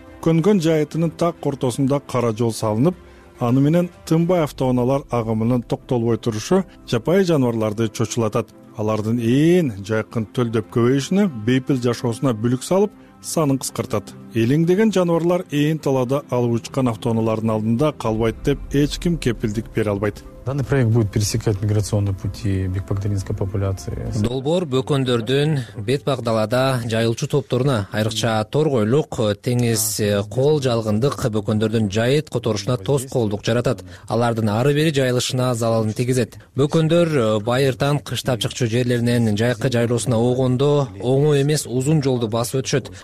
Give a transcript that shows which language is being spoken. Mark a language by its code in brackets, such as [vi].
[ky] Көнгөн жайытынын так ортосунда кара жол салынып, аны менен тынбай автоунаалар агымынын токтолбой турушу жапайы жаныбарларды чочулатат. Алардын ээн жайкын төлдөп көбөйүшүнө, бейпил жашоосуна бүлүк салып, санын кыскартат. Элеңдеген жаныбарлар ээн талаада алып учкан автоунаалардын алдында калбайт деп эч ким кепилдик бере албайт. [ru] Данный проект будет пересекать миграционные пути бекпагдаринской популяции. [ky] Долбор бөкөндөрдүн бетпак далада жайылчу топторуна, айрыкча торгойлук, теңиз, кол жалгындык бөкөндөрдүн жайыт которушуна тоскоолдук жаратат. Алардын ары бери жайылышына залалын тийгизет. Бөкөндөр байыртан кыштап чыкчу жерлеринен жайкы жайылуусуна оогондо оңой эмес узун жолду басып өтүшөт.